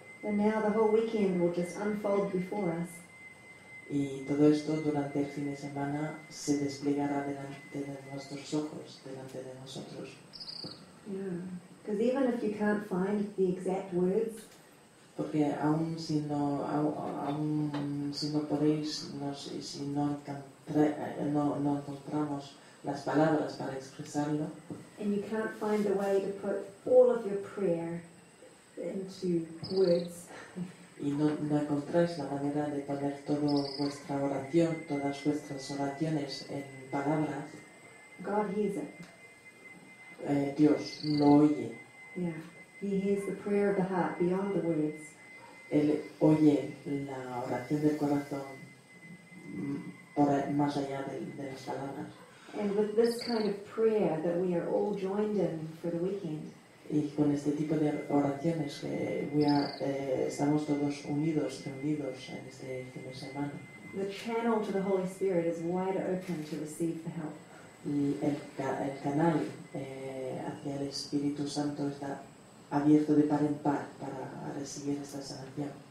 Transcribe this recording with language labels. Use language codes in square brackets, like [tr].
[en] And now the whole weekend will just unfold before us. [es] Y todo esto durante el fin de semana se desplegará delante de nuestros ojos, delante de nosotros. [en] Because even if you can't find the exact words, [es] porque aun si no podéis, si no encontramos las palabras para expresarlo, [en] and you can't find a way to put all of your prayer into words, [es] y no encontráis la manera de poner toda vuestra oración, todas vuestras oraciones en palabras, [en] God hears it. [es] Dios lo oye. [en] Yeah. He hears the prayer of the heart beyond the words. [es] Él oye la oración del corazón por más allá de las palabras. [en] And with this kind of prayer that we are all joined in for the weekend, [es] y con este tipo de oraciones que estamos todos unidos, reunidos en este fin de semana, [en] the channel to the Holy Spirit is wide open to receive the help. [es] Y el canal hacia el Espíritu Santo está abierto de par en par para recibir esta sanación.